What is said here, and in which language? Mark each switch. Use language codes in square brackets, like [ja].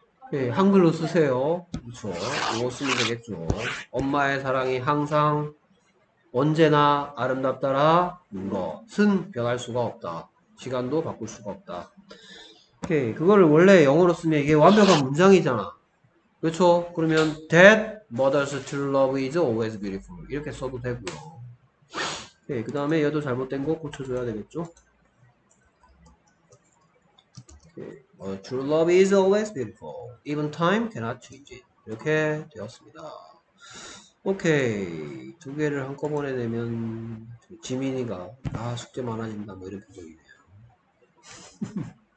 [ko] 네, 한글로 쓰세요. 그렇죠. 이거 쓰면 되겠죠. 엄마의 사랑이 항상 언제나 아름답더라. 무엇은 변할 수가 없다. 시간도 바꿀 수가 없다. 오케이. 그거를 원래 영어로 쓰면 이게 완벽한 문장이잖아. 그렇죠? 그러면 [en] That mother's true love is always beautiful. [ko] 이렇게 써도 되고요. 오케이. 그 다음에 얘도 잘못된 거 고쳐줘야 되겠죠? [en] 오케이. True love is always beautiful. Even time cannot change it. [ko] 이렇게 되었습니다. 오케이. 두 개를 한꺼번에 내면 지민이가 아 숙제 많아진다 뭐 이런 표정이네요.